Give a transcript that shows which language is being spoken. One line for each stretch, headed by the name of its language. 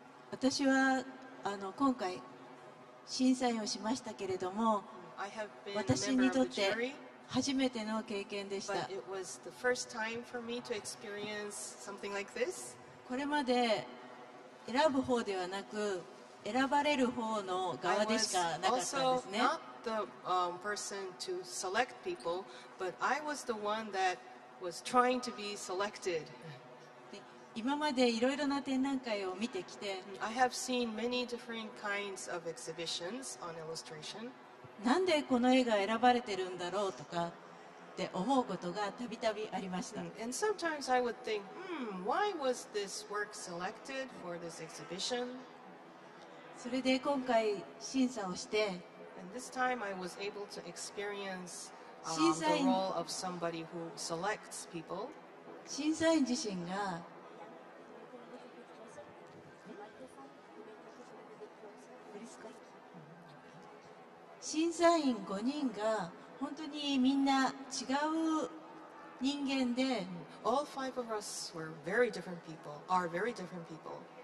Japanese: 私は今回審査員をしましたけれども、私にとって初めての経験でした。
English: But it was the first time for me to experience something like this.
Japanese: これまで選ぶ方ではなく選ばれる方の側でしかなかったんですね。
English: The person to select people, but I was the one that was trying to be selected.
Japanese: 今までいろいろな展覧会を見てきて、
English: I have seen many different kinds of exhibitions on illustration.
Japanese: なんでこの絵が選ばれてるんだろうとかって思うことがたびたびありました。
English: And sometimes I would think, why was this work selected for this exhibition?
Japanese: それで今回審査をして、
English: And this time I was able to experience the role of somebody who selects people.
Japanese: 審査員自身が、審査員5人が本当にみんな違う人間で、
English: All five of us were very different people, are very different people.